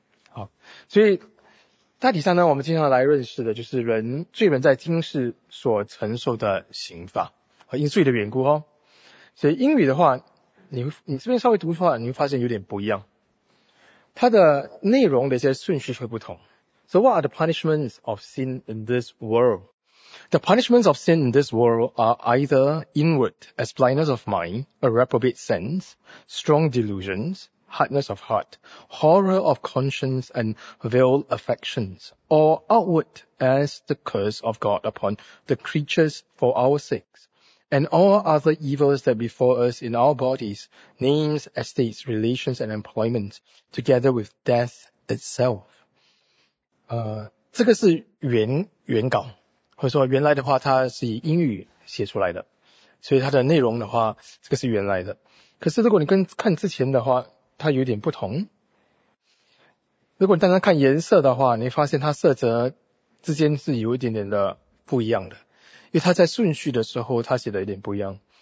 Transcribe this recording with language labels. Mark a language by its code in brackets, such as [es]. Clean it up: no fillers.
[zh] 好，所以大体上呢，我们经常来认识的就是人罪人在今世所承受的刑罚，因罪的缘故哦。所以英语的话，你这边稍微读的话，你会发现有点不一样，它的内容的一些顺序会不同。 [en] So what are the punishments of sin in this world? The punishments of sin in this world are either inward, as blindness of mind, a reprobate sense, strong delusions, hardness of heart, horror of conscience and veiled affections, or outward as the curse of God upon the creatures for our sakes, and all other evils that befall us in our bodies, names, estates, relations and employment, together with death itself. [zh] 这个是原稿，或者说原来的话，它是以英语写出来的，所以它的内容的话，这个是原来的。可是如果你看之前的话，它有点不同。如果你单单看颜色的话，你发现它色泽之间是有一点点的不一样的，因为它在顺序的时候它写的有点不一样。